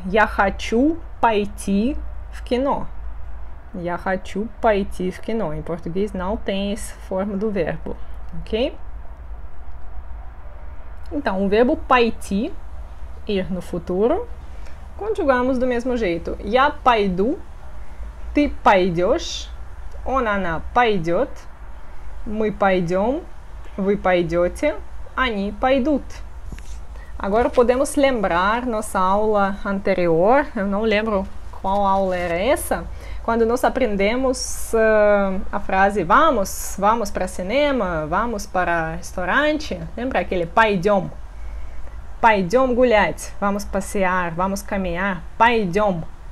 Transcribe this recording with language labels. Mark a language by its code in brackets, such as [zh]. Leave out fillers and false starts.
[ru] Я хочу пойти в кино. Я хочу пойти в кино. [pt] Em português não tem essa forma do verbo, ok? Então, o verbo пойти, ir no futuro, conjugamos do mesmo jeito. [ru] Я пойду, ты пойдешь, он, она пойдет, мы пойдем, вы пойдете, они пойдут. [pt] Agora podemos lembrar nossa aula anterior. Eu não lembro qual aula era essa. Quando nós aprendemos a frase vamos, vamos para cinema, vamos para restaurante, lembra aquele пойдем? [ru] Пойдем гулять, [pt] vamos passear, vamos caminhar, пойдем.